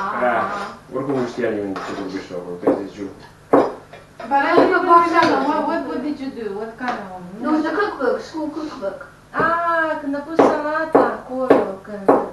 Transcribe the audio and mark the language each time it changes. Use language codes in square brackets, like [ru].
[ro] Ah, oricum nu știa nimeni ce vorbești acolo, pe zi ziua. [en] But I don't know, what did you do? What kind of one? No, it was a cookbook, school cookbook. [ro] Ah, când a pus salata acolo, când...